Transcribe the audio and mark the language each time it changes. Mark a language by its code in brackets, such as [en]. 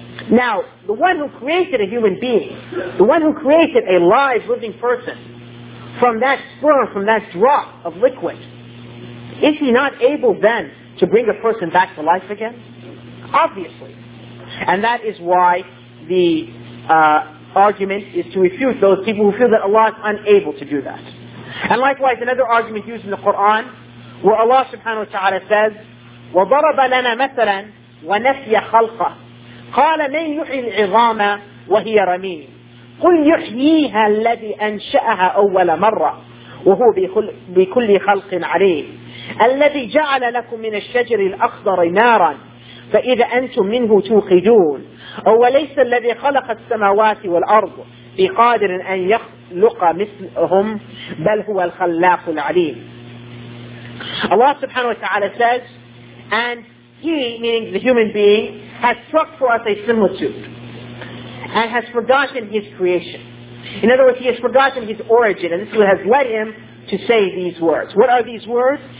[en] Now, the one who created a human being, the one who created a live, living person from that sperm, from that drop of liquid, is he not able then to bring a person back to life again? Obviously. And that is why the argument is to refute those people who feel that Allah is unable to do that. And likewise, another argument used in the Quran, where Allah subhanahu wa ta'ala says, [ar] وَضَرَبَ لَنَا مَثَلًا وَنَفْيَ خَلْقَهُ قال من يحيي العظام وهي رميم قل يحييها الذي أنشأها أول مرة وهو بكل خلق عليم الذي جعل لكم من الشجر الأخضر نارا فإذا أنتم منه توقدون. هو ليس الذي خلق السماوات والأرض بقادر أن يخلق مثلهم بل هو الخلاق العليم. [en] Allah subhanahu wa ta'ala says, and he, meaning the human being, has struck for us a similitude and has forgotten his creation. In other words, he has forgotten his origin, and this is what has led him to say these words. What are these words?